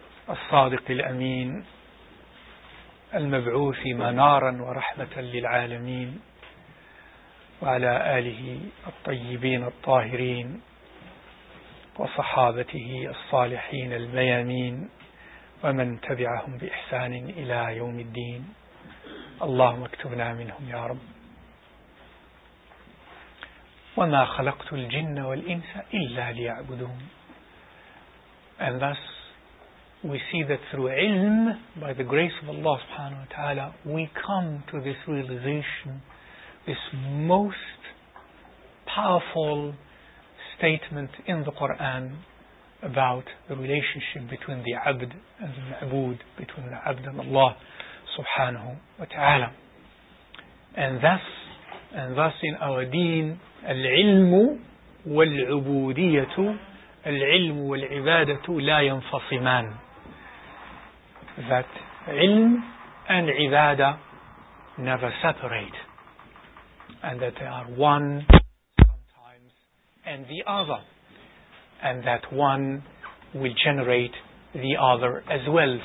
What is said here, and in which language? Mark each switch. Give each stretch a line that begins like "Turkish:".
Arabic: الصادق الأمين المبعوث منارا ورحمة للعالمين، وعلى آله الطيبين الطاهرين وصحابته الصالحين الميامين ومن تبعهم بإحسان إلى يوم الدين. اللهم اكتبنا منهم يا رب. وما خلقت الجن والإنس إلا ليعبدون.
English: And thus we see that through ilm, by the grace of Allah subhanahu wa ta'ala, we come to this realization, this most powerful statement in the Quran about the relationship between the abd and the ma'bud, between the abd and Allah subhanahu wa ta'ala. And thus in our deen,
Arabic: العلم والعبودية، العلم والعبادة لا ينفصمان.
English: That علم and عبادة never separate, and that they are one sometimes and the other, and that one will generate the other as well.